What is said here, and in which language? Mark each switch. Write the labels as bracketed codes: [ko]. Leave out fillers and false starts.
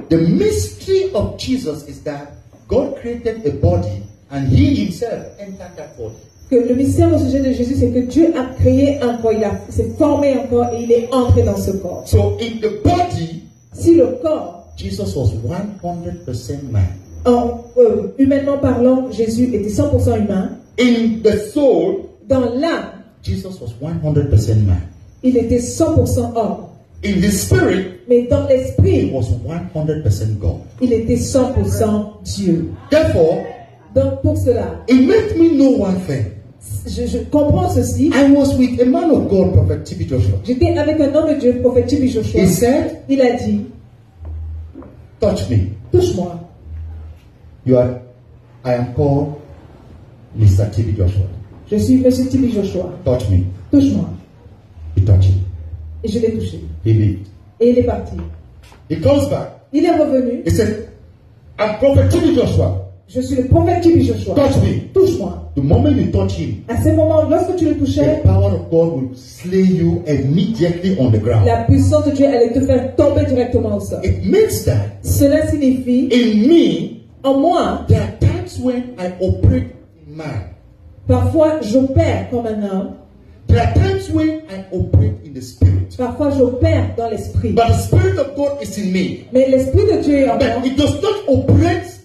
[en] The mystery of Jesus is that God created a body and He Himself entered that body. [fr] Que le mystère au sujet de Jésus, c'est que Dieu a créé un corps, il a, s'est formé un corps et il est entré dans ce corps. [en] So in the body, [fr] si le corps, [en] Jesus was 100% man. [fr] Humainement parlant, Jésus était 100% humain. [en] In the soul, [fr] dans l'âme, [en] Jesus was 100% man. [fr] Il était 100% homme. [en] In the spirit, [fr] mais dans l'esprit, [en] he was 100% God. [fr] Il était 100% Dieu. [en] Therefore, [fr] donc pour cela, [en] it made me know one thing. [fr] Je comprends ceci. [en] I was with a man of God, Prophet Tibi Joshua. [fr] J'étais avec un homme de Dieu, Prophète Tibi Joshua. [en] He said, [fr] il a dit, [en] touch me. [fr] Touche-moi. [en] I am called Mr. Tibi Joshua. [fr] Je suis Monsieur Tibi Joshua. [en] Touch me. [fr] Touche-moi. [en] He touched me. [fr] Et je l'ai touché. [en] He lived. [fr] Et il est parti. [en] He comes back. [fr] Il est revenu. [en] He said, I'm Prophet Tibi Joshua. [fr] Je suis le prophète Tibi Joshua. [en] Touch me. [fr] Touche-moi. [en] The moment you touch him, [fr] à ce moment, lorsque tu le touchais, [en] the power of God will slay you immediately on the ground. [fr] La puissance de Dieu allait te faire tomber directement au sol. [en] It means that. [fr] Cela signifie. [en] In me, [fr] en moi, [en] there are times when I operate in man. [fr] Parfois, j'opère comme un homme. [en] There are times when I operate in the spirit. [fr] Parfois, j'opère dans l'esprit. [en] But the spirit of God is in me. [fr] Mais l'esprit de Dieu est en [en] but [fr] moi. [en] But it does not operate.